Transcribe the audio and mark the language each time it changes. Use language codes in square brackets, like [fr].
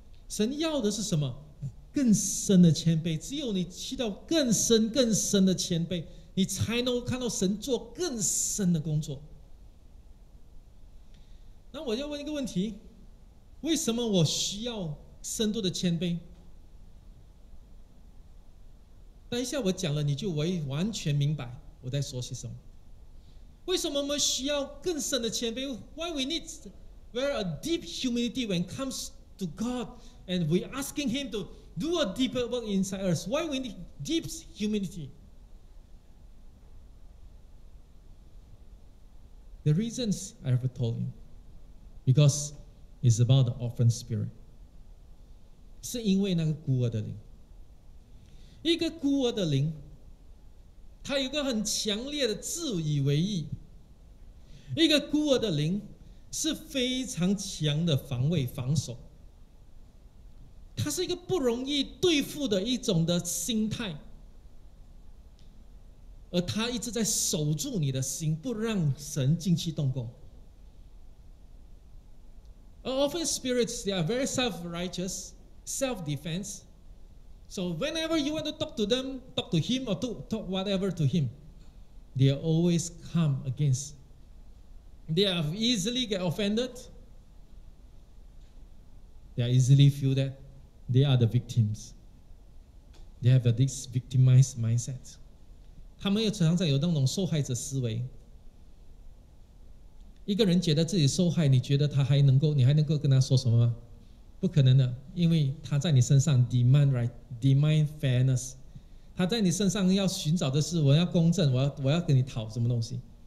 [zh] 神要的是什么？更深的谦卑。只有你去到更深、更深的谦卑，你才能看到神做更深的工作。那我要问一个问题：为什么我需要深度的谦卑？等一下我讲了，你就完全明白我在说些什么。为什么我们需要更深的谦卑 [en] ？Why we need wear a deep humility when it comes to God and we asking Him to do a deeper work inside us? Why we need deep humility? The reasons I have told you, because it's about the orphan spirit. [zh] 是因为那个孤儿的灵。一个孤儿的灵，他有个很强烈的自以为意。一个孤儿的灵是非常强的防卫防守，它是一个不容易对付的一种的心态，而它一直在守住你的心，不让神进去动工。 [en] Our orphan spirits, they are very self-righteous, self-defense. So whenever you want to talk to them, talk to him or talk whatever to him, they are always come againstThey are easily get offended. They are easily feel that they are the victims. They have this victimized mindset. [zh] 他们又常常有那种受害者思维。一个人觉得自己受害，你觉得他还能够，你还能够跟他说什么吗？不可能的，因为他在你身上 [en] demand right, demand fairness. [zh] 他在你身上要寻找的是，我要公正，我要跟你讨什么东西。